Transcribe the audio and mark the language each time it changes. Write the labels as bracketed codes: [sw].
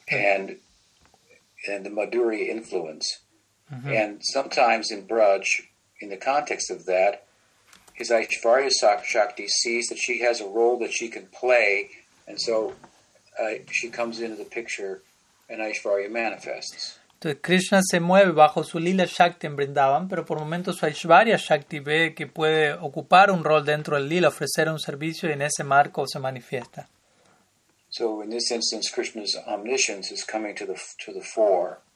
[en] and the Madhurya influence. Mm-hmm. And sometimes in Braj, in the context of that, his Aishwarya Shakti sees that she has a role that she can play, and so she comes into the picture and Aishwarya manifests. [es] Entonces Krishna se mueve bajo su Lila Shakti en Vrindavan, pero por momentos su Aishwarya Shakti ve que puede ocupar un rol dentro del Lila, ofrecer un servicio y en ese marco se manifiesta. [en] So in this instance, Krishna's omniscience is coming to the fore.